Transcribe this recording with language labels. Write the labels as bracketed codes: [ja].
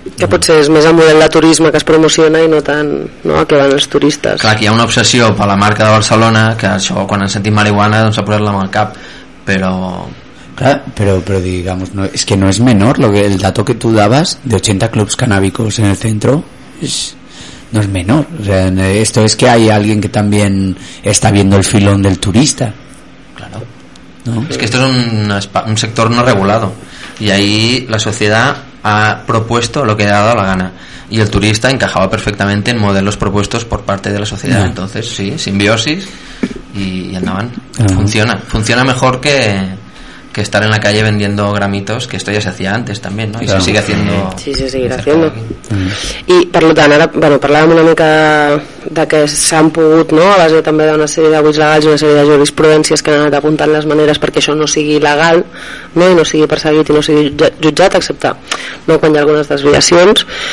[ca] Que potser és més el model de turisme que es promociona i no tant, no, que van els turistes. Clar, que hi ha una obsessió per la marca de Barcelona, que això quan han sentit marihuana doncs ha posat-la amb el cap, però... Clar, però digamos, no, és que no és menor, el dato que tu daves de 80 clubs canàbicos en el centro és... [es] No es menor, o sea, esto es que hay alguien que también está viendo el filón del turista. Claro. ¿No? Es que esto es un sector no regulado y ahí la sociedad ha propuesto lo que ha dado la gana y el turista encajaba perfectamente en modelos propuestos por parte de la sociedad. Uh-huh. Entonces, sí, simbiosis y andaban. Uh-huh. Funciona mejor que estar en la calle vendiendo gramitos, que esto ya se hacía antes también, ¿no? Y claro, se sigue haciendo. Sí, se seguirá haciendo. Y por lo tanto, ahora, bueno, [ca] parlàvem una mica de que s'han pogut, ¿no?, a base també d'una sèrie de buits legals, una sèrie de jurisprudències que han anat apuntant les maneres perquè això no sigui legal, ¿no?, i no sigui perseguit i no sigui jutjat, excepte, no, quan hi ha algunes desviacions.